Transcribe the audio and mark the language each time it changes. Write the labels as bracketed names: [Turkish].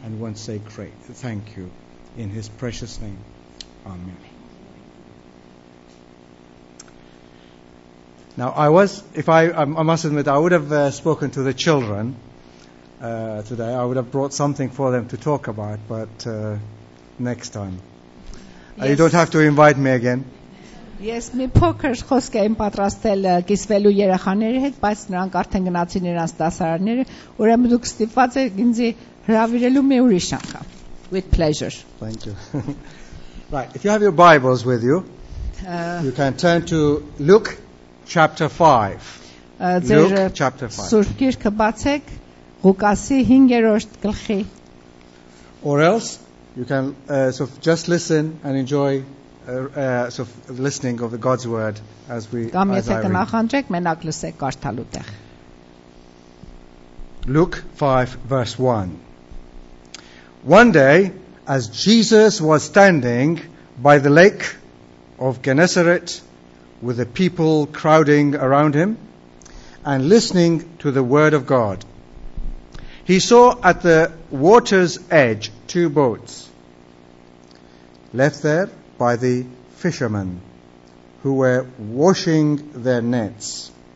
[English] And once say, great, thank you in his precious name. Amen. Now, I would have spoken to the children today. I would have brought something for them to talk about, but next time. Yes. You don't have to invite me again. [Armenian] Ես մի փոքր խոսք եմ պատրաստել կիսվելու երեխաների հետ, բայց նրանք արդեն գնացին իրենց դասարանները, ուրեմն դուք ստիպված եք ինձ հրավիրելու մի ուրիշ անգամ. [English] With pleasure. Thank you. Right, if you have your Bibles with you, you can turn to Luke chapter 5. Luke chapter 5. [Armenian] Սուրբ գիրքը բացեք Ղուկասի 5-րդ գլխի. [English] Or else you can sort of just listen and enjoy the listening of the God's word as we [Armenian] Դամ եթե կնախանջեք մենակ լսեք կարդալու տեղ. [English] Luke 5 verse 1. One day as Jesus was standing by the lake of Gennesaret with the people crowding around him and listening to the word of God, he saw at the water's edge two boats left there by the fishermen who were washing their nets.